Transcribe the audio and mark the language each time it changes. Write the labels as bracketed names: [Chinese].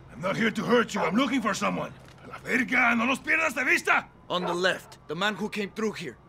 [English] I'm not here to hurt you. I'm looking for someone. [Spanish] A la verga, no los pierdas de vista! [English] On the left, the man who came through here.